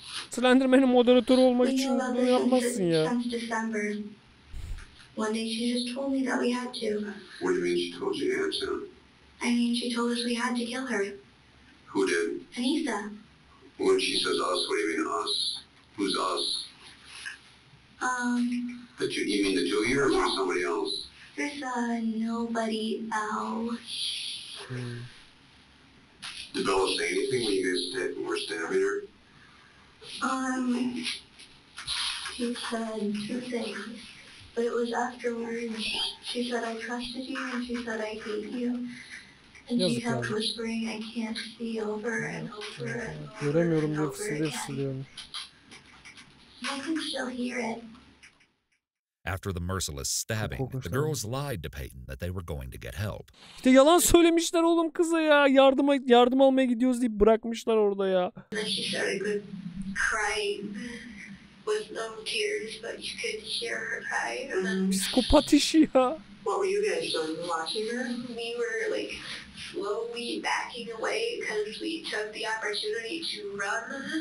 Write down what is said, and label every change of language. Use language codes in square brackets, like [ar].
[tr] Slenderman'in moderatörü olmak için bunu yapmazsın ya. [en] One day she just told me that we had to. What do you mean she told you had to? I mean she told us we had to kill her. Who did? Anissa. When she says us, what do you mean us? Who's us? That you mean the two of you or somebody else? There's nobody else. Did Bella say anything when you guys were stabbing her? She said two things. But it was afterwards. She said, I trusted you, and she said, I hate you. And she kept whispering, I can't see over and over and over and over again. I can still hear it. After the merciless stabbing, the girls lied to Peyton that they were going to get help. [tr] İşte yalan söylemişler oğlum kıza ya. Yardım almaya gidiyoruz deyip bırakmışlar orada ya. [en] She started crying with no tears, but you could hear her cry. [tr] Psikopat işi ya. [en] What were you guys doing watching her? We were like slowly backing away because we took the opportunity to run.